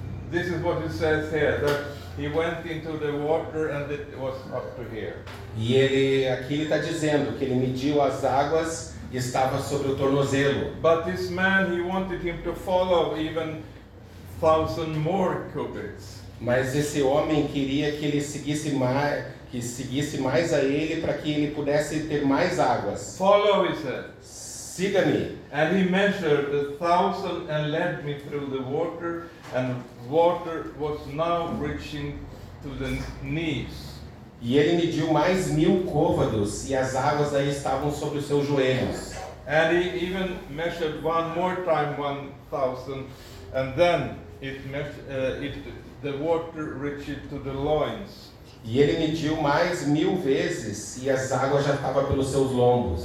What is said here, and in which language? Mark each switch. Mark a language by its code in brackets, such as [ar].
[en] This is what it says here, that he went into the water and it was up to here. [pt] E ele aqui está dizendo que ele mediu as águas e estava sobre o tornozelo. [en] But this man, he wanted him to follow even 1,000 more cubits. [pt] Mas esse homem queria que ele seguisse mais, que seguisse mais a ele para que ele pudesse ter mais águas. [en] Follow, he said. [pt] Siga-me. [en] And he measured 1,000 and led me through the water, and water was now reaching to the knees. [pt] E ele mediu mais 1,000 côvados e as águas aí estavam sobre os seus joelhos. [en] And he even measured one more time 1,000, and then the water reached to the loins. [pt] E ele mediu mais 1,000 vezes e as águas já estavam pelos seus lombos.